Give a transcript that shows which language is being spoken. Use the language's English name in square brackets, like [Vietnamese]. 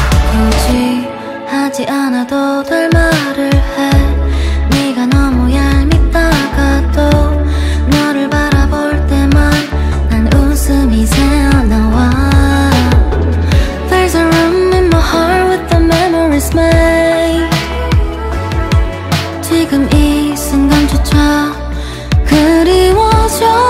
[Korean] 굳이 하지 않아도 될 말을 해. 네가 너무 얄밉다가도 너를 바라볼 때만 난 웃음이 새어나와. [English] There's a room in my heart with the memories made. [Korean] 지금 이 순간조차 그리워져.